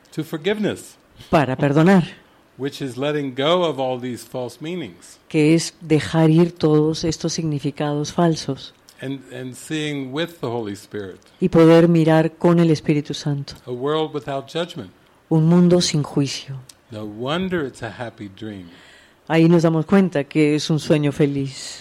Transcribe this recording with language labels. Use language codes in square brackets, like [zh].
[en] To forgiveness. [es] Para perdonar. [en] Which is letting go of all these false meanings. [es] Que es dejar ir todos estos significados falsos. [en] And seeing with the Holy Spirit. [es] Y poder mirar con el Espíritu Santo. [en] A world without judgment. [es] Un mundo sin juicio. [en] No wonder it's a happy dream. [es] Ahí nos damos cuenta que es un sueño feliz.